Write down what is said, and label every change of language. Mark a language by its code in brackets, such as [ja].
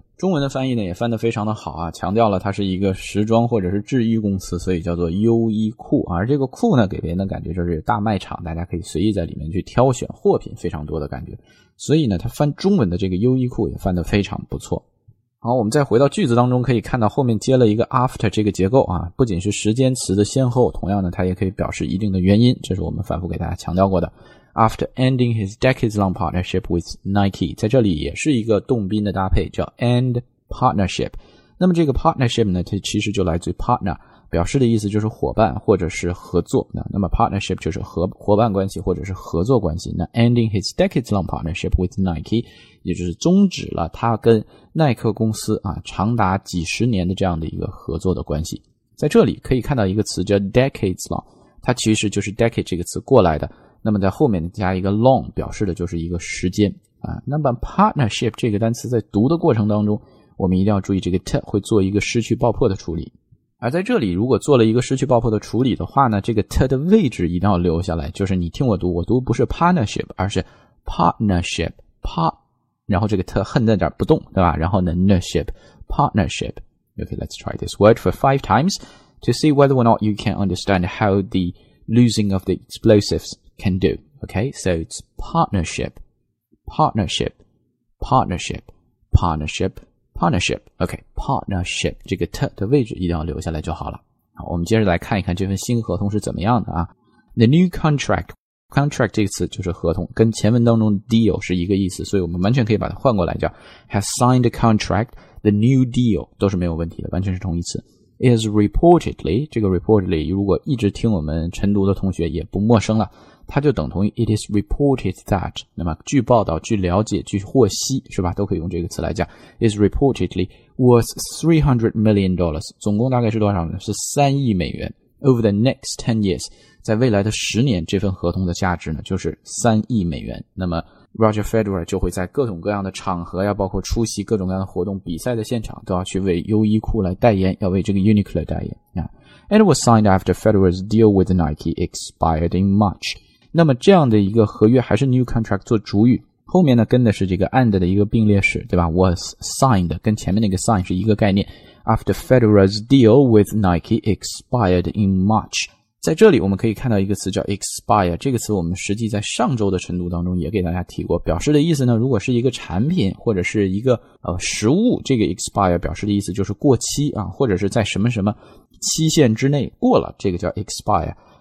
[zh] 中文的翻译呢也翻得非常的好啊，强调了它是一个时装或者是制衣公司，所以叫做优衣库、啊、而这个库呢给别人的感觉就是大卖场，大家可以随意在里面去挑选货品非常多的感觉，所以呢它翻中文的这个优衣库也翻得非常不错。好，我们再回到句子当中，可以看到后面接了一个 after 这个结构啊，不仅是时间词的先后，同样呢它也可以表示一定的原因，这是我们反复给大家强调过的。 [en] after ending his decades-long partnership with Nike. [zh] 在这里也是一个动宾的搭配，叫 end partnership。那么这个 partnership 呢，它其实就来自 partner， 表示的意思就是伙伴或者是合作。那么 partnership 就是伙伴关系或者是合作关系。那 ending his decades-long partnership with Nike，也就是终止了他跟耐克公司啊长达几十年的这样的一个合作的关系。在这里可以看到一个词叫 decades long， 它其实就是 decade 这个词过来的，那么在后面加一个 long 表示的就是一个时间啊。那么 partnership 这个单词在读的过程当中，我们一定要注意这个 t 会做一个失去爆破的处理，而在这里如果做了一个失去爆破的处理的话呢，这个 t 的位置一定要留下来，就是你听我读，我读不是 partnership 而是 partnership part， 然后这个 t 横在这儿不动，对吧？ [en] 然后呢 ,ship partnership。 Okay, let's try this word for 5 times to see whether or not you can understand how the losing of the explosives can do. Okay, so it's partnership, partnership, partnership, partnership, partnership. [zh] Okay, partnership, 这个 t 的位置一定要留下来就好了。好，我们接着来看一看这份新合同是怎么样的啊。 The new contract, contract 这个词就是合同，跟前文当中 deal 是一个意思，所以我们完全可以把它换过来叫 has signed a contract,The new deal 都是没有问题的，完全是同义词。 Is reportedly, 这个 reportedly 如果一直听我们晨读的同学也不陌生了，它就等同于 it is reported that，那么据报道、据了解、据获悉，是吧？都可以用这个词来讲。 Is reportedly worth $300 million，总共大概是多少呢？是$3 亿。 Over the next 10 years，在未来的十年，这份合同的价值呢，就是$3亿。那么Roger Federer 就会在各种各样的场合呀，包括出席各种各样的活动比赛的现场，都要去为优衣库来代言，要为这个 Uniqlo 代言、 And it was signed after Federer's deal with Nike expired in March. 那么这样的一个合约还是 new contract 做主语，后面呢跟的是这个 and 的一个并列式，对吧？ was signed 跟前面那个 sign 是一个概念， after Federer's deal with Nike expired in March。在这里我们可以看到一个词叫 expire， 这个词我们实际在上周的晨读当中也给大家提过，表示的意思呢，如果是一个产品或者是一个食物，这个 expire 表示的意思就是过期啊，或者是在什么什么期限之内过了，这个叫 expire。